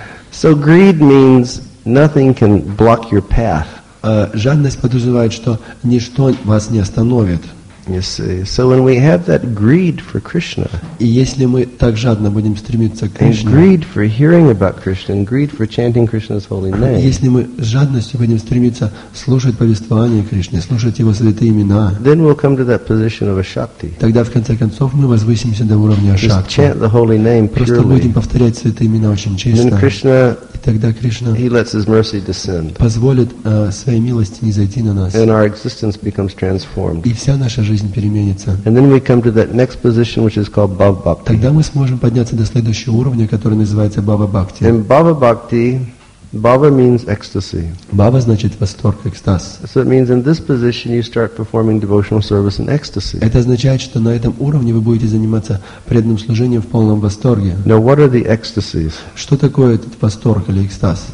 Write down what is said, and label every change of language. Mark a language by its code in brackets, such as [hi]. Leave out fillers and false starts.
[en] So greed means nothing can block your path. [ru] Жадность подразумевает, что ничто вас не остановит. [en] You see, so when we have that greed for Krishna, [ru] и если мы так жадно будем стремиться к Кришне, [en] and greed for hearing about Krishna, and greed for chanting Krishna's holy name, [ru] если мы с жадностью будем стремиться слушать повествование Кришны, слушать его святые имена, [en] then we'll come to that position of a shakti. [ru] Тогда в конце концов мы возвысимся до уровня ашакти. [en] Just chant the holy name purely. [ru] Просто будем повторять святые имена очень чисто. [en] Then Krishna, [ru] и тогда Кришна, [en] he lets his mercy descend. [ru] Позволит своей милости низойти на нас. [en] And our existence becomes transformed. [ru] И вся наша жизнь переменится. [en] And then we come to that next position, which is called bhava bhakti. [ru] Тогда мы сможем подняться до следующего уровня, который называется bhava bhakti. [en] And bhava bhakti, bhava means ecstasy. [ru] Bhava значит восторг, экстаз. [en] So it means in this position you start performing devotional service in ecstasy. [ru] Это означает, что на этом уровне вы будете заниматься преданным служением в полном восторге. [en] Now what are the ecstasies? [ru] Что такое этот восторг или экстаз?